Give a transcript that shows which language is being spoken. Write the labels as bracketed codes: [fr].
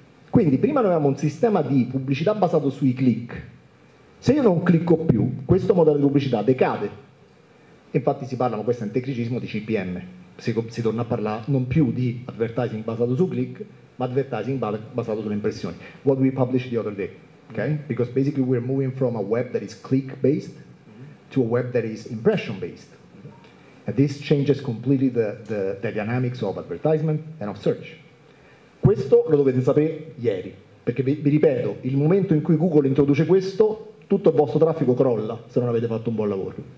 [it] Quindi prima noi avevamo un sistema di pubblicità basato sui click. Se io non clicco più, questo modello di pubblicità decade. Infatti si parla, ma questo è un tecnicismo, di CPM. Si torna a parlare non più di advertising basato su click, ma advertising basato sulle impressioni. [en] What we published the other day, okay? Because basically we're moving from a web that is click-based to a web that is impression-based. And this changes completely the dynamics of advertisement and of search. [it] Questo lo dovete sapere ieri, perché vi ripeto, il momento in cui Google introduce questo, tutto il vostro traffico crolla, se non avete fatto un buon lavoro.